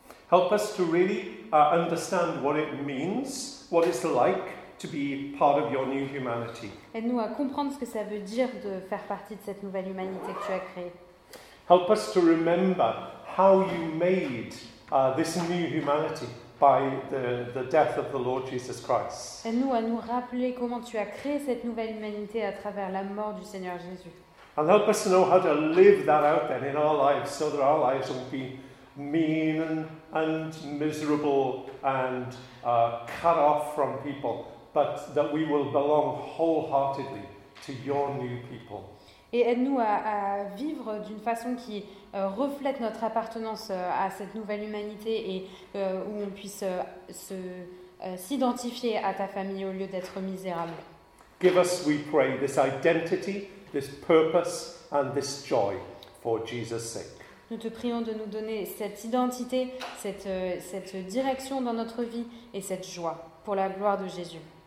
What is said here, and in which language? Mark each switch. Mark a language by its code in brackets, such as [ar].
[en] Help us to really understand what it means, what it's like to be part of your new humanity. [fr] Aide-nous à comprendre ce que ça veut dire de faire partie de cette nouvelle humanité que tu as créée. [en] Help us to remember how you made this new humanity by the death of the Lord Jesus Christ. [fr] Aide-nous à nous rappeler comment tu as créé cette nouvelle humanité à travers la mort du Seigneur Jésus. [en] And help us to know how to live that out then in our lives, so that our lives won't be mean and miserable and cut off from people, but that we will belong wholeheartedly to your new people. [fr] Et aide-nous à vivre d'une façon qui reflète notre appartenance à cette nouvelle humanité et où on puisse s'identifier à ta famille au lieu d'être misérable. [en] Give us, we pray, this identity, this purpose and this joy for Jesus' sake. [fr] Nous te prions de nous donner cette identité, cette direction dans notre vie et cette joie pour la gloire de Jésus.